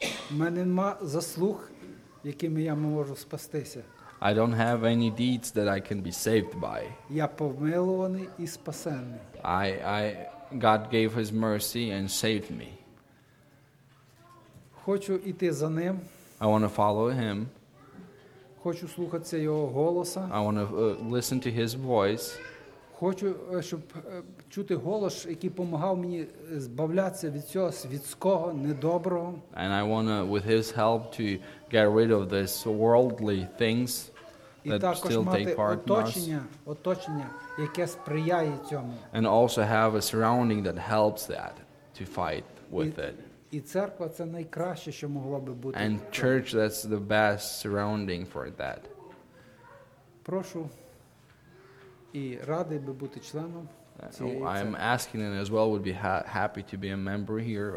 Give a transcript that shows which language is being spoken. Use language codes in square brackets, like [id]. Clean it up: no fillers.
[uk] У мене нема заслуг, якими я можу спастися. [en] I don't have any deeds that I can be saved by. [uk] Я помилований і спасенний. [en] I God gave his mercy and saved me. [uk] Хочу іти за ним. [en] I want to follow him. [uk] Хочу слухати його голоса. [en] I want to listen to his voice. [uk] Хочу, щоб чути голос, який помагав мені збавлятися від цього світського недоброго. [en] And I want to, with his help, to get rid of this worldly things that still take part in us. [uk] І також мати оточення, яке сприяє цьому. [en] And also have a surrounding that helps that, to fight with it. [uk] І церква – це найкраще, що могло би бути. [en] And church, that's the best surrounding for that. [uk] Прошу. І радий би бути членом цієї. [en] I'm asking and as well would be happy to be a member here.